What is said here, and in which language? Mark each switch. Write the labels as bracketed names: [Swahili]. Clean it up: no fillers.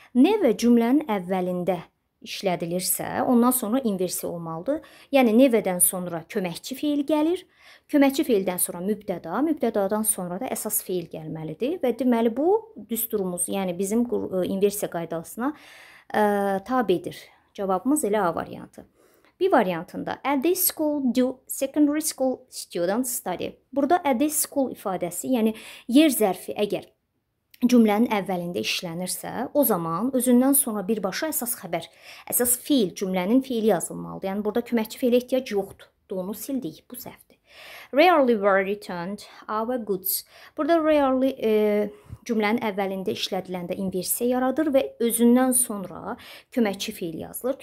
[Azerbaijani] Nevə cümlənin əvvəlində işlədilirsə, ondan sonra inversiya olmalıdır. Yəni, nevədən sonra köməkçi fiil gəlir, köməkçi fiildən sonra mübtəda, mübtədadan sonra da əsas fiil gəlməlidir. Və deməli, bu düsturumuz, yəni bizim inversiya qaydasına tabidir. Cavabımız elə A variantı. B variantında. [English] At this school do secondary school students study? [Azerbaijani] Burada [English] at this school [Azerbaijani] ifadəsi, yəni yer zərfi əgər cümlənin əvvəlində işlənirsə, o zaman özündən sonra birbaşa əsas xəbər, əsas fiil, cümlənin fiili yazılmalıdır. Yəni, burada köməkçi fiili ehtiyac yoxdur. Onu sildik, bu səhvdir. [English] Rarely were returned our goods. [Azerbaijani] Burada rarely cümlənin əvvəlində işlədiləndə inversiya yaradır və özündən sonra köməkçi fiil yazılır.